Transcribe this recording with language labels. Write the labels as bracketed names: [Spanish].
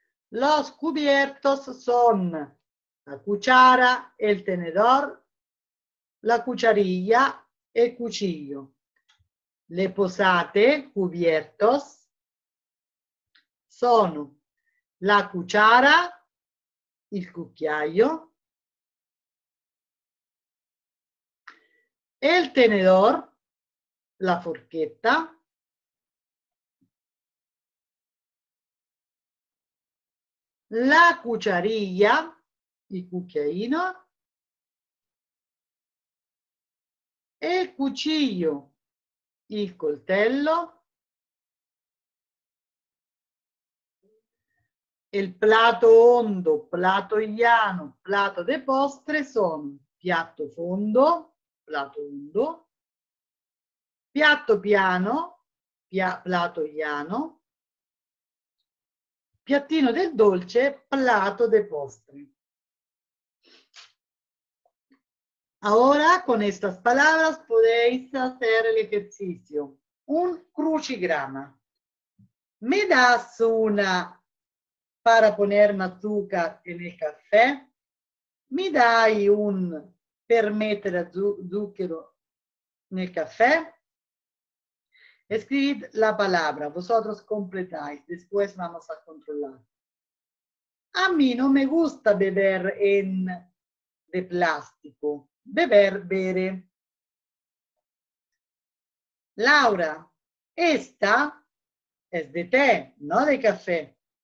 [Spanish] Los cubiertos son la cuchara, el tenedor, la cucharilla, el cuchillo. [Italian] Le posate, cubiertos, sono la cuchara, il cucchiaio, el tenedor, la forchetta, la cucharilla, il cucchiaino, il cuchillo, il coltello, il plato hondo, plato llano, plato de postre sono piatto fondo, plato hondo, piatto piano, plato llano, piattino del dolce, plato de postre. [Spanish] Ahora con estas palabras podéis hacer el ejercicio. Un crucigrama. ¿Me das una para poner azúcar en el café? [Italian] ¿Me dai un per mettere zucchero nel café? [Spanish] Escribid la palabra, vosotros completáis, después vamos a controlar. A mí no me gusta beber en de plástico. Beber, bere. Laura, esta es de té, no de café.